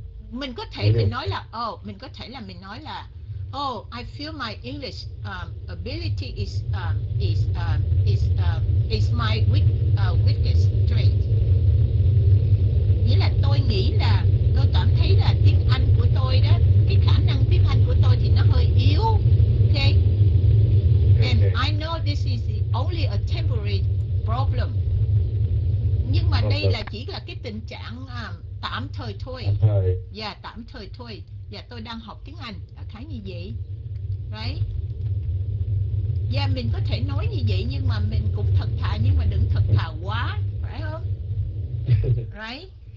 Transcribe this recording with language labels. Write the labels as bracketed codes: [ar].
[vi] Mình có thể mình nói là [en] I feel my English ability is my weakest trait. [vi] Nghĩa là tôi nghĩ là tôi cảm thấy là tiếng Anh của tôi đó, cái khả năng tiếng Anh của tôi thì nó hơi yếu. [en] Okay. And I know this is only a temporary problem. [vi] Nhưng mà đây là chỉ là cái tình trạng tạm thời thôi. Yeah, tạm thời thôi. Yeah, tôi đang học tiếng Anh, đã khá như vậy. Right? Yeah, mình có thể nói như vậy nhưng mà mình cũng thật thà, nhưng mà đừng thật thà quá, phải không? Right?